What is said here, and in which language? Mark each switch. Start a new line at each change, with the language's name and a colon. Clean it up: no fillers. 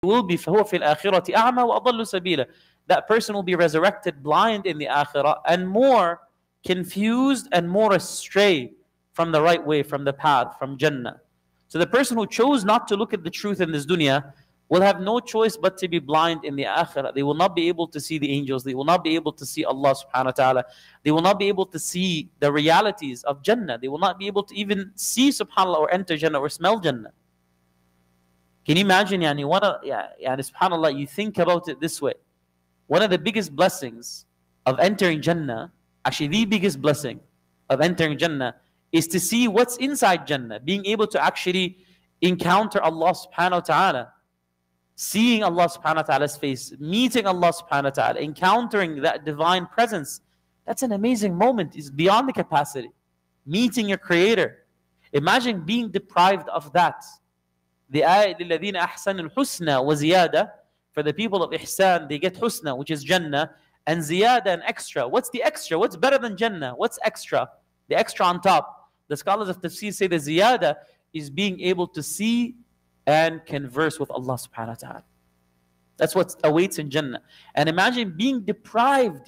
English: will be
Arabic: فهو في الآخرة أعمى وأضل سبيلا.
English: That person will be resurrected blind in the Akhirah and more confused and more astray from the right way, from the path, from Jannah. So the person who chose not to look at the truth in this dunya will have no choice but to be blind in the Akhirah. They will not be able to see the angels. They will not be able to see Allah subhanahu wa ta'ala. They will not be able to see the realities of Jannah. They will not be able to even see subhanAllah or enter Jannah or smell Jannah. Can you imagine, yani, subhanAllah, you think about it this way. One of the biggest blessings of entering Jannah, actually the biggest blessing of entering Jannah, is to see what's inside Jannah, being able to actually encounter Allah subhanahu wa ta'ala, seeing Allah subhanahu wa ta'ala's face, meeting Allah subhanahu wa ta'ala, encountering that divine presence. That's an amazing moment. It's beyond the capacity. Meeting your creator. Imagine being deprived of that. The ayah,
Arabic: لِلَّذِينَ أَحْسَنُ الْحُسْنَى وَزِيَادَةً.
English: For the people of Ihsan, they get Husna, which is Jannah, and Ziyada, and extra. What's the extra? What's better than Jannah? What's extra? The extra on top. The scholars of Tafsir say the Ziyada is being able to see and converse with Allah subhanahu wa ta'ala. That's what awaits in Jannah. And imagine being deprived.